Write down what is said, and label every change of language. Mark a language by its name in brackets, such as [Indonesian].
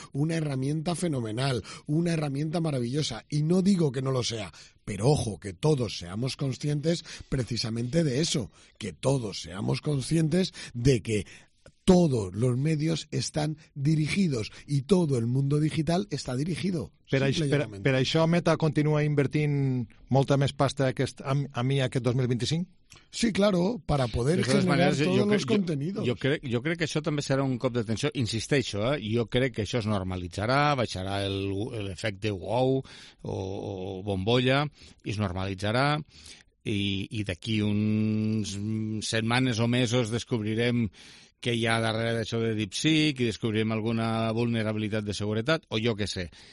[Spanish] Una herramienta fenomenal, una herramienta maravillosa. Y no digo que no lo sea, pero ojo, que todos seamos conscientes precisamente de eso. Que todos seamos conscientes de que todos los medios están dirigidos y todo el mundo digital está dirigido. [Catalan] Per això Meta continua invertint molta més pasta aquest 2025? [Spanish] Sí, claro, para poder generar todos los contenidos. [Catalan] Jo crec que això també serà un cop d'atenció, insisteixo, jo crec que això es normalitzarà, baixarà l'efecte wow o bombolla i es normalitzarà. I d'aquí uns setmanes o mesos descobrirem què hi ha darrere d'això de DeepSeek i descobrirem alguna vulnerabilitat de seguretat, o jo què sé.